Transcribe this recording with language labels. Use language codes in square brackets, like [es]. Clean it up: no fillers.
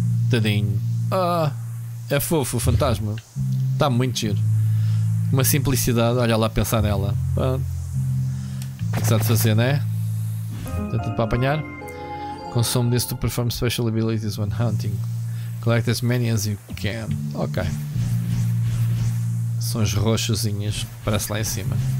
[pt] Tadinho. Ah, é fofo o fantasma. Está muito giro. Uma simplicidade, olha lá, pensar nela. Pronto. O que se há de fazer, não é? Tem tudo para apanhar. [en] Consume this to perform special abilities when hunting. Collect as many as you can. Ok. [pt] São as roxozinhas que aparece lá em cima.